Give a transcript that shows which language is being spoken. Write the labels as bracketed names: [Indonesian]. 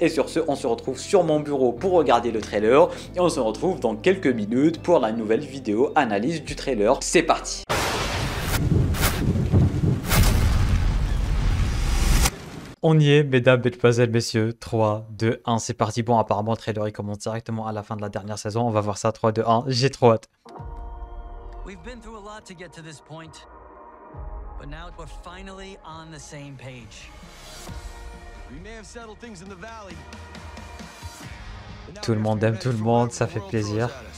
[French] Et sur ce, on se retrouve sur mon bureau pour regarder le trailer. Et on se retrouve dans quelques minutes pour la nouvelle vidéo analyse du trailer. C'est parti! On y est, mesdames, mesdemoiselles, messieurs. 3, 2, 1, c'est parti. Bon, apparemment, le trailer il commence directement à la fin de la dernière saison. On va voir ça. 3, 2, 1, j'ai trop hâte. [English] We've been through a lot to get to this point. But now we're finally on the same page. We may have settled things in the valley. [French] Tout le monde aime tout le monde, ça fait plaisir.